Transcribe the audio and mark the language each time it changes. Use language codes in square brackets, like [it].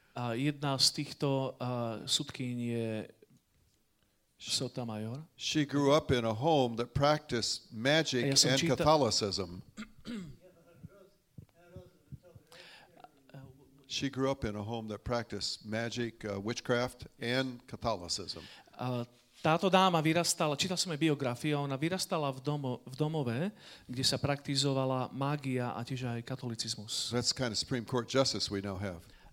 [sk] Jedna z týchto sudkýň je Sotomayor. [en] She grew up in a home that practiced magic and Catholicism. She grew up in a home that practiced magic, witchcraft and Catholicism. [sk] Táto dáma vyrastala, čítal som jej biografiu, ona vyrastala v domove, kde sa praktizovala mágia a tiež aj katolicizmus. [en] That's kind of Supreme Court justice we now have.